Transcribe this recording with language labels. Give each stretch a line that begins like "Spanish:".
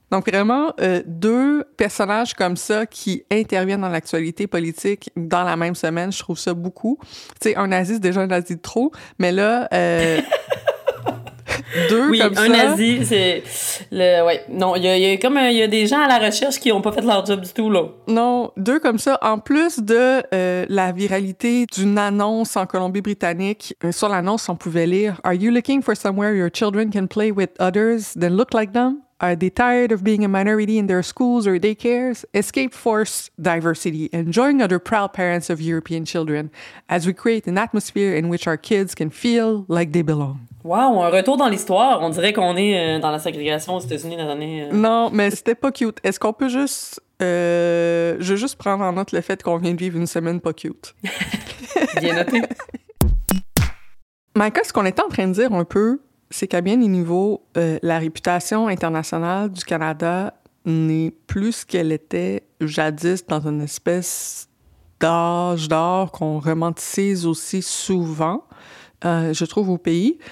French: Donc vraiment, deux personnages comme ça qui interviennent dans l'actualité politique dans la même semaine, je trouve ça beaucoup. Tu sais, un nazi, c'est déjà un nazi de trop, mais là... deux oui, comme un ça. Un nazi, c'est le ouais. Non, il y a des gens à la recherche qui ont pas fait leur job du tout là. Non, deux comme ça en plus de la viralité d'une annonce en Colombie-Britannique.
English: Sur l'annonce, on pouvait lire: Are you looking for somewhere your children can play with others that look like them? Are they tired of being a minority in their schools or daycares? Escape force diversity and join other proud parents of European children as we create an atmosphere in which our kids can feel like they belong.
French: Wow, un retour dans l'histoire. On dirait qu'on est dans la ségrégation aux États-Unis dans les années... Non, mais c'était pas cute. Est-ce qu'on peut juste... je veux juste prendre en note le fait qu'on vient de vivre une semaine pas cute. Bien noté. Micah, ce qu'on est en train de dire un peu... C'est qu'à bien des niveaux, la réputation internationale du Canada n'est plus ce qu'elle était jadis dans une espèce d'âge d'or qu'on romantise aussi souvent, je trouve, au pays.